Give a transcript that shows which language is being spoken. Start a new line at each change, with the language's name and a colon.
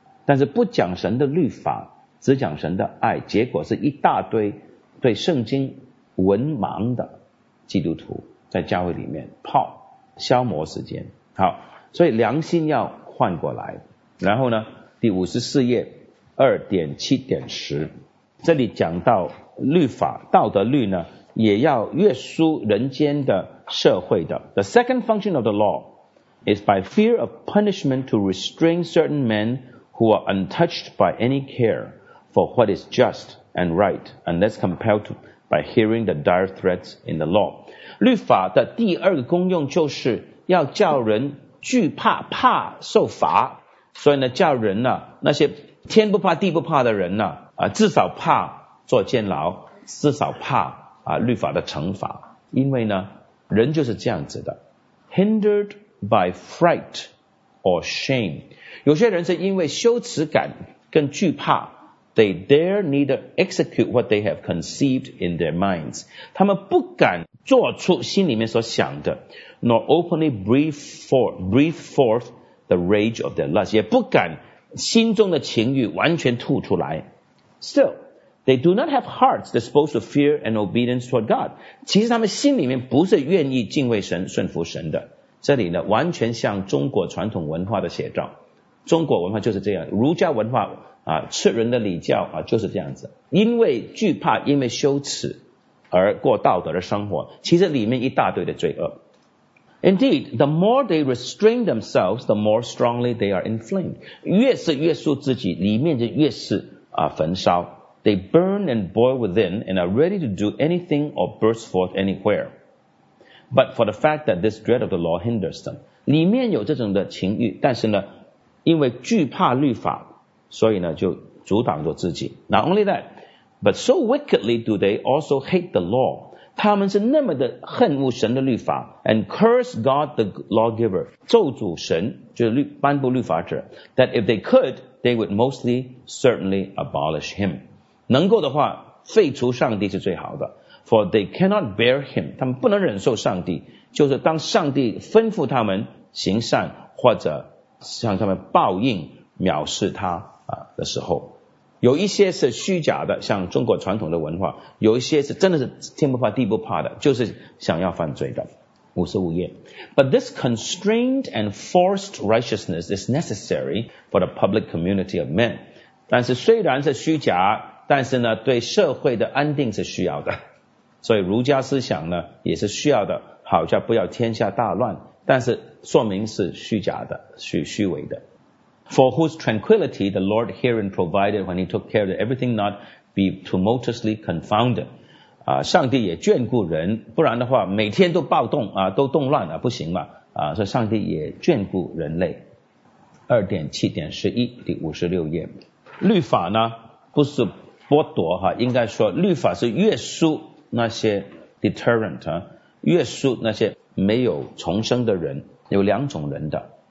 Chinese: 但是不讲神的律法，只讲神的爱，结果是一大堆对圣经文盲的基督徒在教会里面泡消磨时间。好，所以良心要换过来。然后呢，第54页 2.7.10 这里讲到律法道德律呢也要约束人间的社会的。
English: The second function of the law is by fear of punishment to restrain certain men who are untouched by any care for what is just and right unless compelled to by hearing the dire threats in the law.
Chinese: 律法的第二个功用就是要叫人惧怕，怕受罚。所以呢，叫人呢，那些天不怕地不怕的人呢，至少怕坐监牢，至少怕律法的惩罚。因为呢，人就是这样子的。
English: Hindered by fright or shame.
Chinese: 有些人是因为羞耻感跟惧怕。
English: They dare neither execute what they have conceived in their minds. 他们不敢做出心里面所想的 ,nor openly breathe forth the rage of their lust.
Chinese: 也不敢心中的情欲完全吐出来。
English: Still, they do not have hearts disposed to fear and obedience toward God.
Chinese: 其实他们心里面不是愿意敬畏神、顺服神的。这里呢，完全像中国传统文化的写照。中国文化就是这样，儒家文化吃人的礼教就是这样子，因为惧怕，因为羞耻而过道德的生活，其实里面一大堆的罪恶。
English: Indeed, the more they restrain themselves, the more strongly they are inflamed.
Chinese: 越是约束自己，里面就越是焚烧。
English: They burn and boil within and are ready to do anything or burst forth anywhere. But for the fact that this dread of the law hinders them.
Chinese: 里面有这种的情欲，但是呢，因为惧怕律法，所以呢就阻挡着自己。
English: Not only that, but so wickedly do they also hate the law. 他们是那么的恨恶神的律法 and curse God the lawgiver, 咒诅神，就是颁布律法者 that if they could, they would mostly certainly abolish him.
Chinese: 能够的话，废除上帝是最好的。 For they cannot bear him, 他们不能忍受上帝，就是当上帝吩咐他们行善或者向他们报应藐视他的时候，有一些是虚假的，像中国传统的文化，有一些是真的是天不怕地不怕的，就是想要犯罪的。
English: 55页 But this constrained and forced righteousness is necessary for the public community of men.
Chinese: 但是虽然是虚假，但是呢对社会的安定是需要的。所以儒家思想呢也是需要的，好叫不要天下大乱，但是说明是虚假的，是虚伪的。
English: For whose tranquility the Lord herein provided when he took care that everything not be tumultuously confounded.
Chinese: 上帝也眷顾人，不然的话每天都暴动都动乱不行嘛。所以上帝也眷顾人类。2.7.11 第56页。律法呢不是剥夺应该说律法是约束那些 deterrent, 约束那些没有重生的人，有两种人的。